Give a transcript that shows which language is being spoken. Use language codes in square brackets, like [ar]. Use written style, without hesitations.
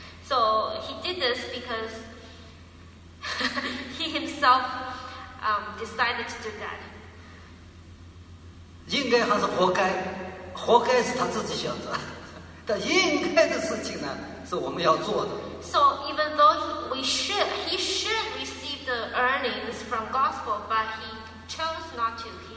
[en] So he did this because he himself decided to do that. [zh] 应该还是活该，活该是他自己选择，但应该的事情呢，是我们要做的。 [en] So even though he should receive the earnings from gospel, but he chose not to.